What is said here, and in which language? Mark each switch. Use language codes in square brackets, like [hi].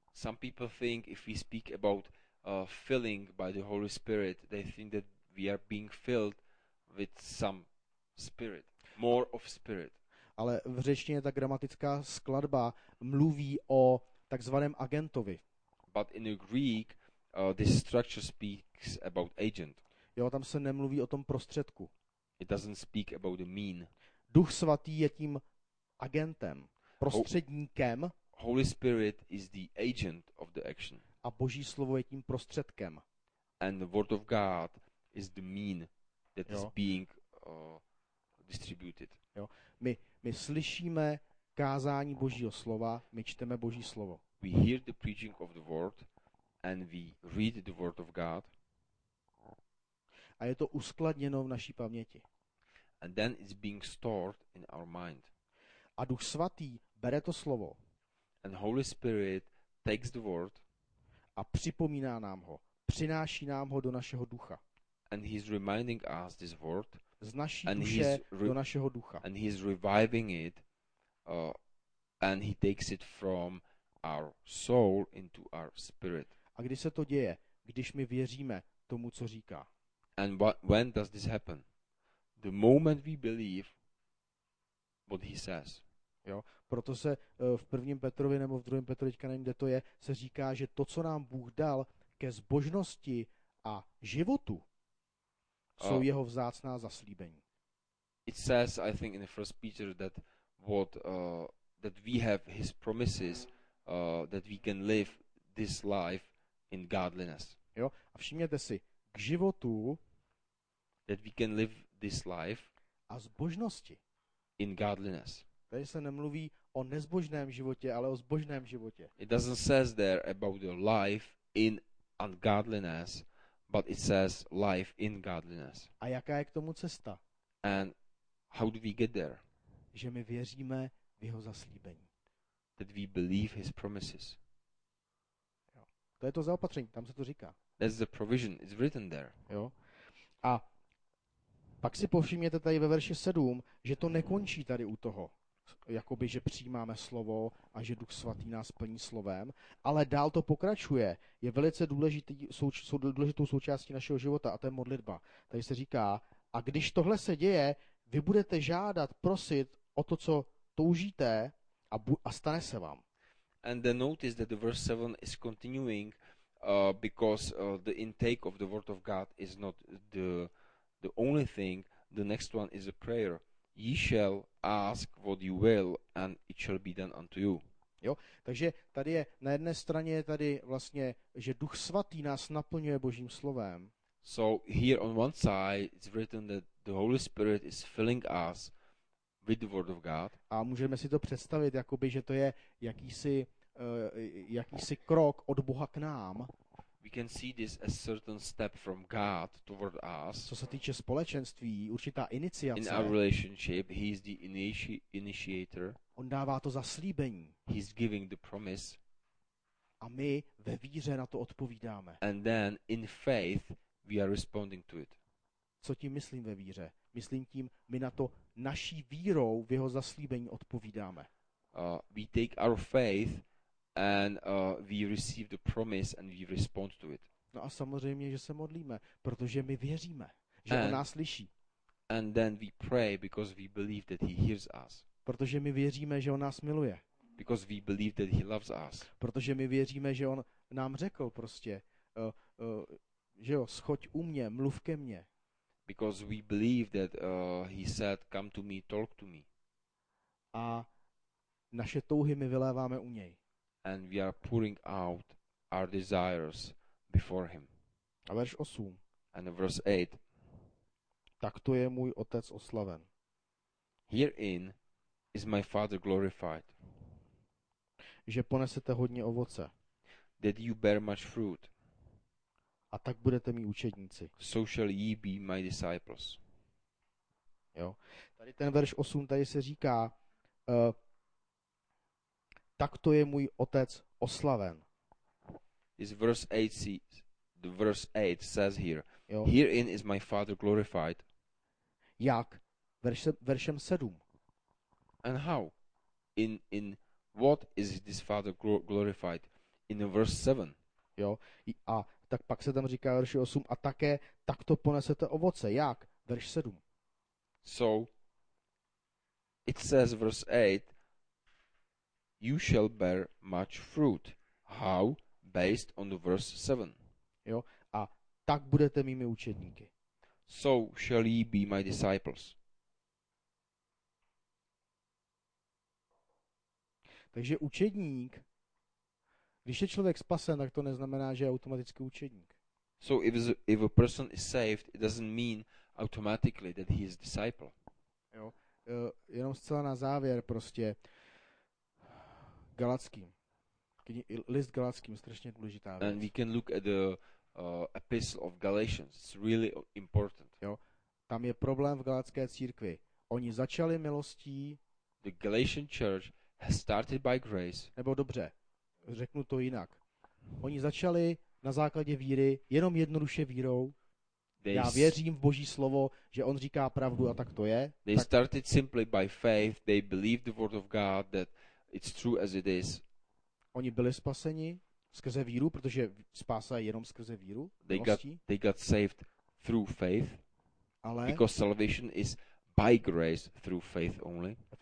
[en] Some people think if we speak about filling by the Holy Spirit, they think that we are being filled with some spirit, more of spirit. [cs] Ale v řečtině ta gramatická skladba mluví o takzvaném agentovi. [en] But in the Greek, this structure speaks about agent. [cs] Jo, tam se nemluví o tom prostředku. [en] It doesn't speak about the mean. [cs] Duch svatý je tím agentem, prostředníkem. [en] Holy Spirit is the agent of the action. [cs] A Boží slovo je tím prostředkem. [en] And the word of God is the mean that is being distributed. [cs] Jo. My slyšíme kázání Božího slova, my čteme Boží slovo. [en] We hear the preaching of the word and we read the word of God. [cs] A je to uskladněno v naší paměti. [en] And then it's being stored in our mind. [cs] A Duch svatý bere to slovo. [en] And Holy Spirit takes the word. [cs] A připomíná nám ho, přináší nám ho do našeho ducha. [en] And he's reminding us this word. [cs] Z naší duše do našeho ducha. [en] And he's reviving it and he takes it from our soul into our spirit. [cs] A když se to děje, když my věříme tomu, co říká? [en] And when does this happen? The moment we believe what he says. [cs] Jo, proto se v prvním Petrovi nebo v druhém Petrovi, teďka nevím, kde to je, se říká, že to, co nám Bůh dal ke zbožnosti a životu, jsou jeho vzácná zaslíbení. [en] It says, I think, in the first Peter that what that we have his promises that we can live this life in godliness. [cs] Jo, a všimněte si, k životu [en] that we can live this life [cs] a zbožnosti [en] in godliness. [cs] Tady se nemluví o nezbožném životě, ale o zbožném životě. [en] It doesn't says there about the life in ungodliness, but it says life in godliness. [cs] A jaká je k tomu cesta? [en] And how do we get there? [cs] Že my věříme v jeho zaslíbení. [en] That we believe his promises. [cs] Jo. To je to zaopatření, tam se to říká. [en] That's the provision, it's written there. [cs] Jo. A pak si povšimněte tady ve verši 7, že to nekončí tady u toho. Jakoby, že přijímáme slovo a že Duch svatý nás plní slovem, ale dál to pokračuje. Je velice důležitou součástí našeho života a to je modlitba. Tady se říká, a když tohle se děje, vy budete žádat, prosit o to, co toužíte a stane se vám. [en] And the notice that the verse 7 is continuing because the intake of the word of God is not the only thing. The next one is a prayer. Ye shall ask what you will and it shall be done unto you. [cs] Jo, takže tady je na jedné straně je tady vlastně, že Duch svatý nás naplňuje Božím slovem. [en] So here on one side it's written that the Holy Spirit is filling us with the word of God. [cs] A můžeme si to představit jakoby, že to je jakýsi krok od Boha k nám. [en] We can see this as a certain step from God toward us. [cs] Co se týče společenství, určitá iniciace. [en] In our relationship, he is the initiator. [cs] On dává to zaslíbení. [en] He's giving the promise. [cs] A my ve víře na to odpovídáme. [en] And then in faith we are responding to it. [cs] Co tím myslím ve víře? Myslím tím, my na to naší vírou v jeho zaslíbení odpovídáme. [en] We take our faith and we receive the promise and we respond to it. [cs] No a samozřejmě, že se modlíme, protože my věříme, že on nás slyší. [en] And then we pray because we believe that he hears us. [cs] Protože my věříme, že on nás miluje. [en] Because we believe that he loves us. [cs] Protože my věříme, že on nám řekl prostě, že jo, schoď u mě, mluv ke mně. [en] Because we believe that he said, come to me, talk to me. [cs] A naše touhy my vyléváme u něj. [en] And we are pouring out our desires before him. [cs] A verš 8. [en] And verse 8. [cs] Takto je můj otec oslaven. [en] Herein is my Father glorified. [cs] Že ponesete hodně ovoce. [en] That you bear much fruit. [cs] A tak budete mý učedníci. [en] So shall ye be my disciples. [cs] Jo. Tady ten verš 8, tady se říká, tak to je můj otec oslaven. [en] Is verse 8 says here. Jo. Herein is my Father glorified. [cs] Jak? Veršem 7. [en] And how? In what is this Father glorified? In verse 7. [cs] Jo. A tak pak se tam říká verši 8 a také takto ponesete ovoce. Jak? Verš 7. [en] So it says verse 8, you shall bear much fruit. How? Based on the verse 7. [cs] Jo. A tak budete mými učedníky. [en] So shall ye be my disciples. [cs] Takže učedník, když je člověk spasen, tak to neznamená, že je automaticky učedník. [en] So if a person is saved, it doesn't mean automatically that he is a disciple. [cs] Jo, jenom zcela na závěr prostě Galackým. List Galackým strašně důležitá věc. [en] And we can look at the epistle of Galatians. It's really important. [cs] Jo, tam je problém v galatské církvi. Oni začali milostí. [en] The Galatian church has started by grace. [cs] Nebo dobře, řeknu to jinak. Oni začali na základě víry, jenom jednoduše vírou. Já věřím v Boží slovo, že on říká pravdu a tak to je. [en] They started simply by faith. They believed the word of God that it's true as it is. [cs] Oni byli spaseni skrze víru, protože spása je jenom skrze víru. [en] They got saved through faith. [cs] Ale [en] because salvation is by grace through faith only.